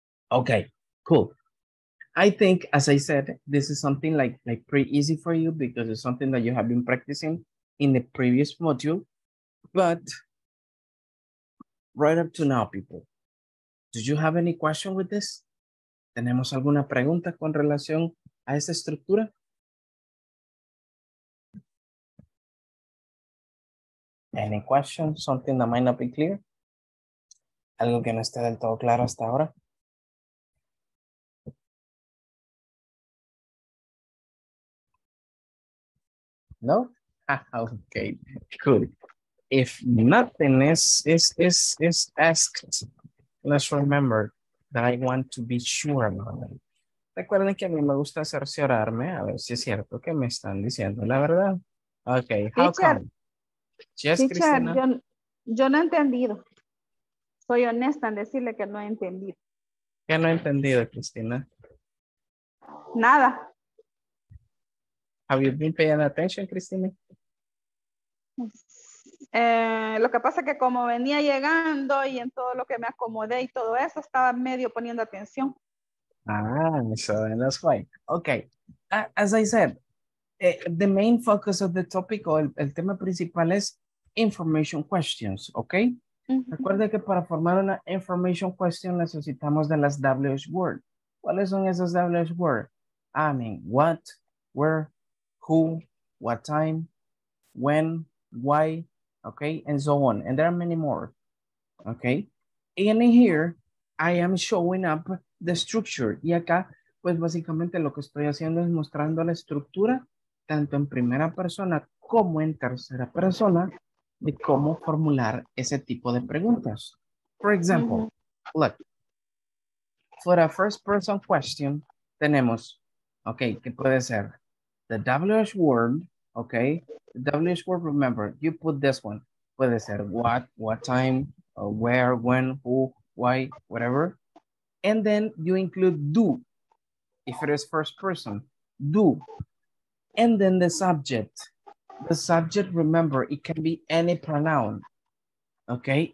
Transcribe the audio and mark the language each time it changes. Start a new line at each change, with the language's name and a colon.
English: Okay, cool. I think, as I said, this is something like pretty easy for you because it's something that you have been practicing in the previous module. But right up to now, people, do you have any question with this?
Spanish: ¿Tenemos alguna pregunta con relación a esta estructura?
English: Any questions? Something that might not be clear?
Spanish: Algo que no esté del todo claro hasta ahora?
English: No? Okay, cool. If nothing is asked, let's remember that I want to be sure about it.
Spanish: Recuerden que a mí me gusta cerciorarme, a ver si es cierto que me están diciendo la verdad.
English: Okay, how come? Yes, teacher,
Spanish: yo no he entendido. Soy honesta en decirle que no he entendido. ¿Qué no he entendido, Cristina? Nada.
English: Have you been paying attention, Cristina?
Spanish: Lo que pasa es que como venía llegando y en todo lo que me acomodé y todo eso, estaba medio poniendo atención.
English: Ah, so then that's why. Okay, as I said, the main focus of the topic,
Spanish: o el tema principal es
English: information questions, okay? Mm-hmm.
Spanish: Recuerde que para formar una information question necesitamos de las WH words. ¿Cuáles son esas WH words?
English: I mean, what, where, who, what time, when, why, okay, and so on. And there are many more, okay? And in here, I am showing up the structure.
Spanish: Y acá, pues básicamente lo que estoy haciendo es mostrando la estructura, tanto en primera persona como en tercera persona, de cómo formular ese tipo de preguntas.
English: For example, mm-hmm. look. For a first person question, tenemos, okay,
Spanish: ¿qué puede ser?
English: The WH word, okay? The WH word, remember, you put this one.
Spanish: Puede ser
English: what time, or where, when, who, why, whatever. And then you include do, if it is first person, do. And then the subject. The subject, remember, it can be any pronoun, okay?